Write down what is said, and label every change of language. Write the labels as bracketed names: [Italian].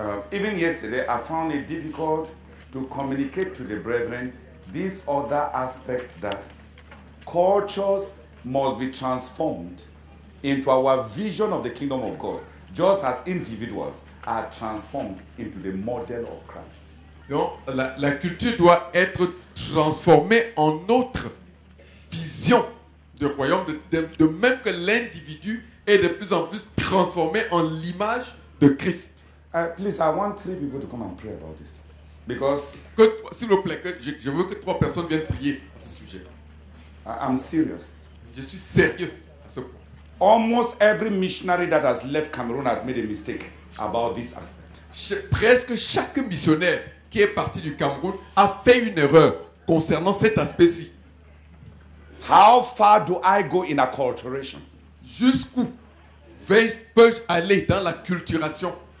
[English] Even yesterday, I found it difficult to communicate to the brethren this other aspect that cultures must be transformed into our vision of the kingdom of God, just as individuals are transformed into the model of Christ. [French] Donc, la culture doit être transformée en notre vision du royaume, de même que l'individu est de plus en plus transformé en l'image de Christ. [English] Please, I want three people to come and pray about this. Because. [French] S'il vous plaît, je veux que trois personnes viennent prier à ce sujet. [English] I'm serious. [French] Je suis sérieux à ce point. [English] Almost every missionary that has left Cameroon has made a mistake about this aspect. [French] Presque chaque missionnaire qui est parti du Cameroun a fait une erreur concernant cet aspect-ci. [English] How far do I go in acculturation? [French] Jusqu'où peux-je aller dans l'acculturation?